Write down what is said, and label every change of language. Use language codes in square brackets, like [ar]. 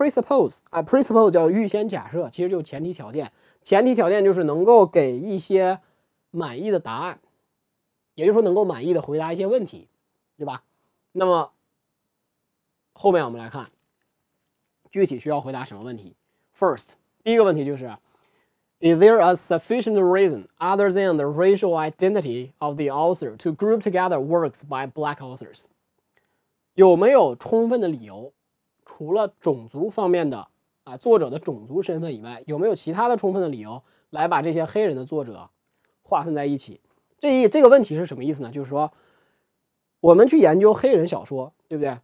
[zh] presuppose 叫预先假设，其实就是前提条件。前提条件就是能够给一些满意的答案，也就是说能够满意的回答一些问题，对吧？那么后面我们来看具体需要回答什么问题。 [en] First， [zh] 第一个问题就是 [en] Is there a sufficient reason other than the racial identity of the author to group together works by black authors？ [zh] 有没有充分的理由，除了种族方面的啊，作者的种族身份以外，有没有其他的充分的理由来把这些黑人的作者划分在一起？这个问题是什么意思呢？就是说我们去研究黑人小说，对不对？